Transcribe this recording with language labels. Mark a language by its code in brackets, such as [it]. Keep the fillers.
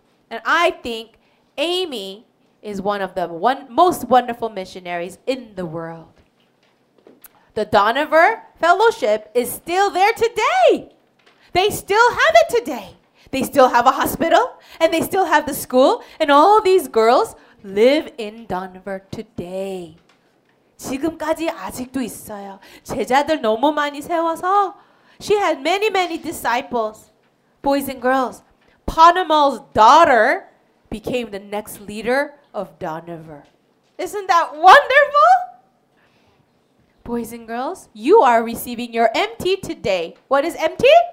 [en] And I think Amy is one of the one, most wonderful missionaries in the world. The Donover Fellowship is still there today. They still have it today. They still have a hospital and they still have the school, and all these girls live in Donover today. [ko] 지금까지 아직도 있어요. 제자들 너무 많이 세워서 [en] she had many many disciples, boys and girls. Ponamal's daughter became the next leader of Donover. Isn't that wonderful? Boys and girls, you are receiving your MT today. What is MT?